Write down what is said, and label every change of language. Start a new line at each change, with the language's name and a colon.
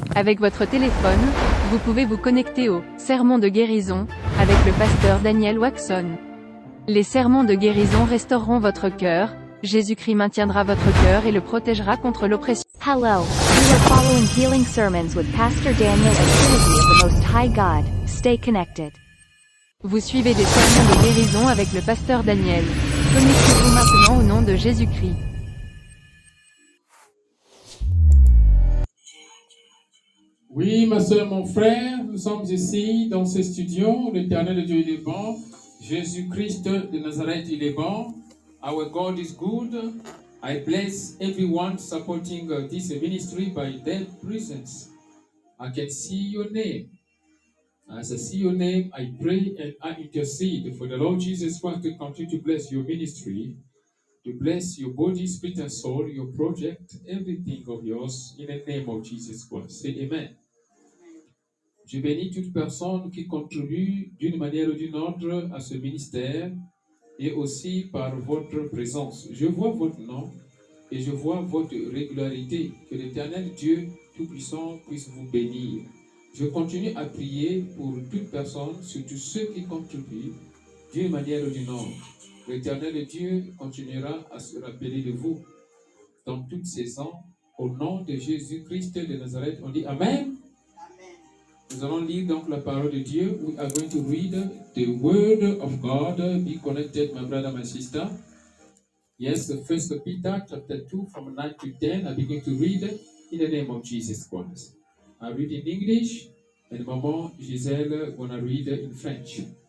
French: Avec votre téléphone, vous pouvez vous connecter au Sermon de guérison avec le pasteur Daniel Waxon. Les sermons de guérison restaureront votre cœur. Jésus-Christ maintiendra votre cœur et le protégera contre l'oppression.
English: Hello, you are following healing sermons with Pastor Daniel and Trinity of the Most High God. Stay connected.
French: Vous suivez des sermons de guérison avec le pasteur Daniel. Connectez-vous maintenant au nom de Jésus-Christ. Oui, ma soeur, mon frère, nous sommes ici dans ce studio. L'Éternel Dieu, il est bon. Jésus-Christ de Nazareth, il est bon.
English: Our God is good. I bless everyone supporting this ministry by their presence. I can see your name. As I see your name, I pray and I intercede for the Lord Jesus Christ to continue to bless your ministry, to bless your body, spirit and soul, your project, everything of yours, in the name of Jesus Christ. Say Amen.
French: Je bénis toute personne qui contribue d'une manière ou d'une autre à ce ministère, et aussi par votre présence. Je vois votre nom et je vois votre régularité. Que l'Éternel Dieu Tout-Puissant puisse vous bénir. Je continue à prier pour toute personne, surtout ceux qui contribuent d'une manière ou d'une autre. L'Éternel Dieu continuera à se rappeler de vous dans toutes ses ans. Au nom de Jésus-Christ de Nazareth, on dit Amen. Nous allons lire donc la parole de Dieu.
English: We are going to read the word of God. Be connected, my brother, my sister. Yes, the first Peter, chapter 2, from 9 to 10. I'm going to read in the name of Jesus Christ. I read in English, and Maman Giselle gonna read in French.